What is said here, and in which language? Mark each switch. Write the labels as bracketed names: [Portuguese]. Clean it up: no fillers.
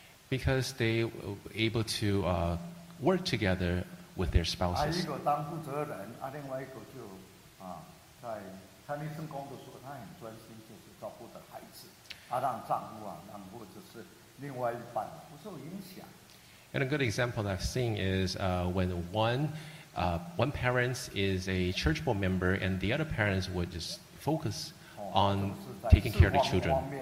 [English] Because they were able to work together with their spouses. [Chinese] 一个当负责人，另外一个就在参与圣工的时候，他很专心，就是照顾的孩子，让丈夫或者是另外一半不受影响。And [English] a good example that I've seen is when one parent is a church board member, and the other parents would just focus on taking care of the children.